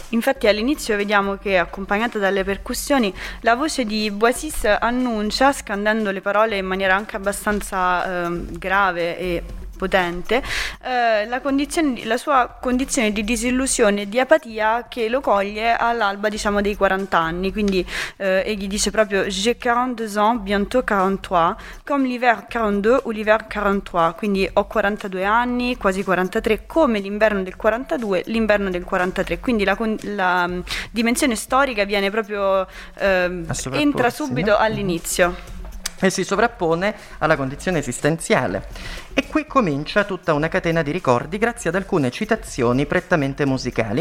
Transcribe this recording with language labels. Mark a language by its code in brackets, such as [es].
[it] Infatti all'inizio vediamo che, accompagnata dalle percussioni, la voce di Boisis annuncia, scandendo le parole in maniera anche abbastanza grave e potente, la sua condizione di disillusione e di apatia che lo coglie all'alba, diciamo, dei 40 anni. Quindi egli dice proprio: [fr] J'ai 42 ans, bientôt 43, comme l'hiver 42 ou l'hiver 43. [it] Quindi ho 42 anni, quasi 43, come l'inverno del 42, l'inverno del 43. Quindi la dimensione storica viene proprio, entra subito all'inizio. E si sovrappone alla condizione esistenziale. E qui comincia tutta una catena di ricordi grazie ad alcune citazioni prettamente musicali.